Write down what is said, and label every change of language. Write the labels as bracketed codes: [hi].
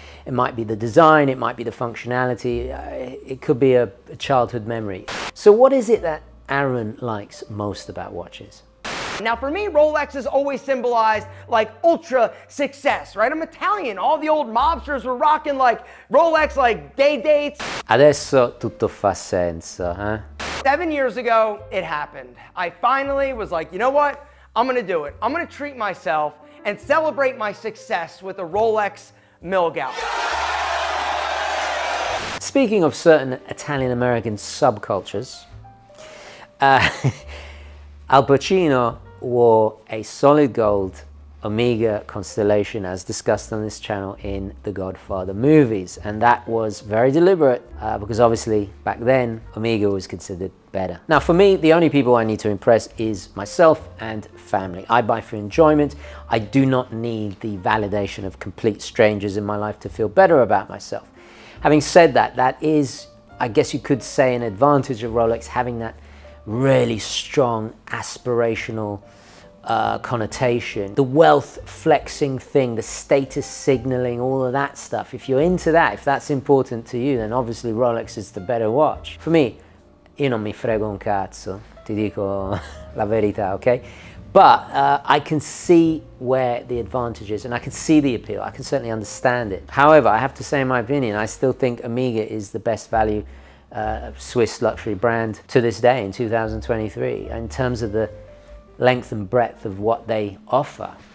[en] It might be the design, it might be the functionality, it could be a childhood memory. So what is it that Aaron likes most about watches? Now for me, Rolex has always symbolized like ultra success, right? I'm Italian, all the old mobsters were rocking like Rolex, like day dates. [it] Adesso tutto fa senso, huh? [en] 7 years ago, it happened. I finally was like, you know what? I'm gonna do it. I'm gonna treat myself and celebrate my success with a Rolex Milgaud. Speaking of certain Italian-American subcultures, Al Pacino wore a solid gold Omega Constellation as discussed on this channel in the Godfather movies. And that was very deliberate because obviously back then, Omega was considered better. Now for me, the only people I need to impress is myself and family. I buy for enjoyment. I do not need the validation of complete strangers in my life to feel better about myself. Having said that, that is, I guess you could say, an advantage of Rolex, having that really strong aspirational connotation, the wealth flexing thing, the status signaling, all of that stuff. If you're into that, if that's important to you, then obviously Rolex is the better watch. For me, [it] io non mi frego un cazzo, ti dico la verità, okay? [en] But I can see where the advantage is and I can see the appeal. I can certainly understand it. However, I have to say, in my opinion, I still think Omega is the best value Swiss luxury brand to this day in 2023 in terms of the length and breadth of what they offer.